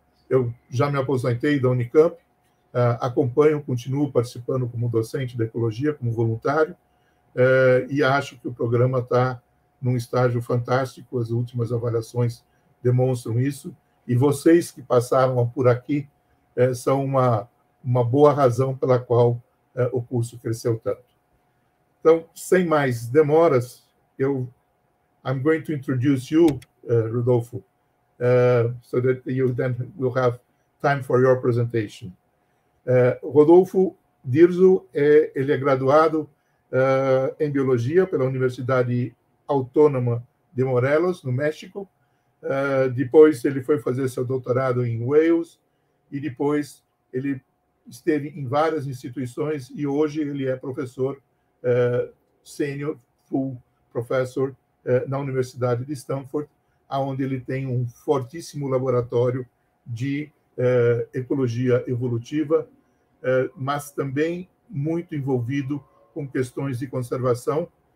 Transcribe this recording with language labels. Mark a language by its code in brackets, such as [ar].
[pt] Eu já me aposentei da Unicamp, acompanho, continuo participando como docente da ecologia, como voluntário, e acho que o programa está num estágio fantástico. As últimas avaliações demonstram isso, e vocês que passaram por aqui são uma boa razão pela qual o curso cresceu tanto. Então, sem mais demoras, [en] I'm going to introduce you, Rodolfo, so that you then will have time for your presentation. [pt] Rodolfo Dirzo, ele é graduado em Biologia pela Universidade Autônoma de Morelos, no México. Depois ele foi fazer seu doutorado em Wales, e depois ele esteve em várias instituições, e hoje ele é professor sênior, [en] full professor, [pt] na Universidade de Stanford, onde ele tem um fortíssimo laboratório de ecologia evolutiva, mas também muito envolvido com questões de conservação.